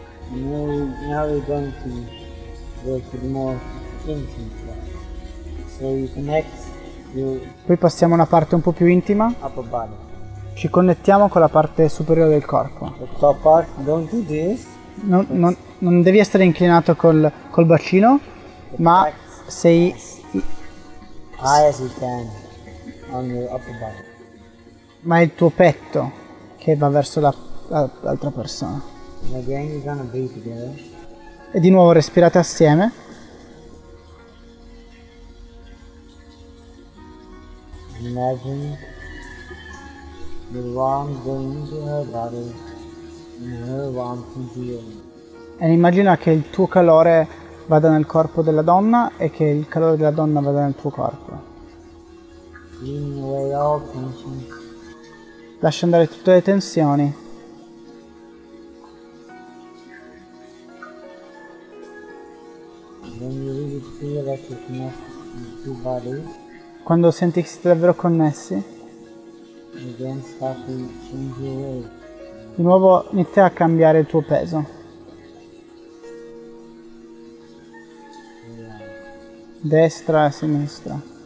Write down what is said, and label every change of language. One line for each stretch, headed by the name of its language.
English: Now we're going to go to the more intimate. So you connect your.
Italian: Poi passiamo a una parte un po' più intima.
English: Upper body.
Italian: Ci connettiamo con la parte superiore del corpo.
English: The top part, don't do this.
Italian: Non devi essere inclinato col bacino,
English: the
Italian: ma sei
English: high as you can on your upper body.
Italian: Ma è il tuo petto che va verso l'altra persona.
English: And again you're gonna breathe together.
Italian: E di nuovo respirate assieme.
English: Imagine the warmth going into her body and her warmth into you.
Italian: E immagina che il tuo calore vada nel corpo della donna e che il calore della donna vada nel tuo corpo.
English: Clean away all tension.
Italian: Lascia andare tutte le tensioni.
English: When you really feel that you're connected to two bodies.
Italian: Quando senti che siete davvero connessi, di nuovo inizia a cambiare il tuo peso. Destra e sinistra.